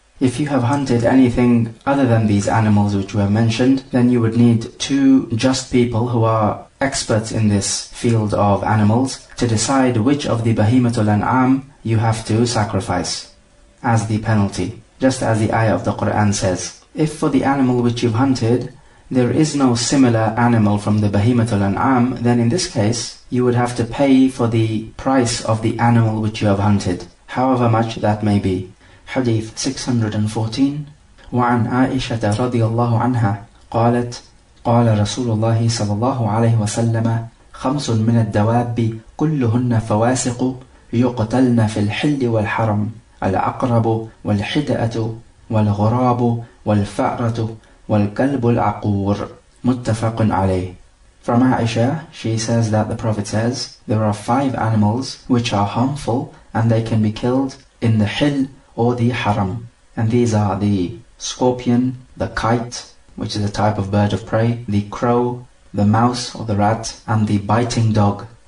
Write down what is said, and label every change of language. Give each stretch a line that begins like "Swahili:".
English: If you have hunted anything other than these animals which we have mentioned, then you would need two just people who are experts in this field of animals to decide which of the Bahimatul An'am you have to sacrifice as the penalty, just as the ayah of the Quran says. If for the animal which you've hunted, there is no similar animal from the Bahimatul An'am, then in this case, you would have to pay for the price of the animal which you have hunted, however much that may be. Hadith 614.
Arabic: وعن عائشة رضي الله عنها قالت قال رسول الله صلى الله عليه وسلم خمس من الدواب كلهن فواسق يقتلن في الحل والحرم العقرب والحدأة والغراب والفأرة والكلب العقور. متفق عليه.
English: From Aisha, she says that the Prophet says, there are five animals which are harmful and they can be killed in the hill or the haram. And these are the scorpion, the kite, which is a type of bird of prey, the crow, the mouse or the rat, and the biting dog.